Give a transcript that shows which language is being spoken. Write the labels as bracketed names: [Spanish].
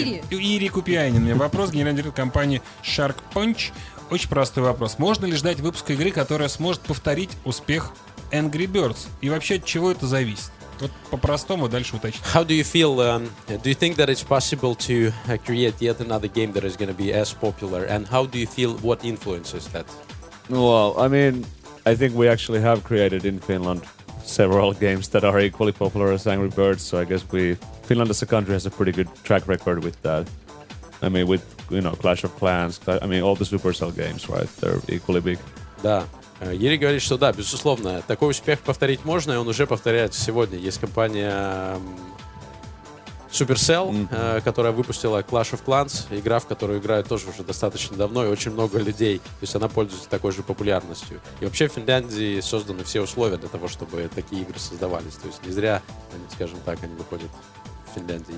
[Russian] Ири Купиянин. У меня вопрос, генеральный директор компании Shark Punch. Очень простой вопрос. Можно ли ждать выпуска игры, которая сможет повторить успех Angry Birds? И вообще, от чего это зависит? Вот по-простому, дальше уточню. [English] How do you feel? Do you think that it's possible to create yet another game that is going to be as popular? And how do you feel, what influences that? Well, I mean, I think we actually have created in Finland several games that are equally popular as Angry Birds. So I guess Finland as a country has a pretty good track record with that. I mean, with, you know, Clash of Clans, I mean, all the Supercell games, right? They're equally big. [Russian] Да. Ири говорит, что да, безусловно, такой успех повторить можно, и он уже повторяется сегодня. Есть компания Supercell, которая выпустила Clash of Clans, игра, в которую играют тоже уже достаточно давно, и очень много людей. То есть она пользуется такой же популярностью. И вообще в Финляндии созданы все условия для того, чтобы такие игры создавались. То есть не зря, скажем так, они выходят в Финляндии.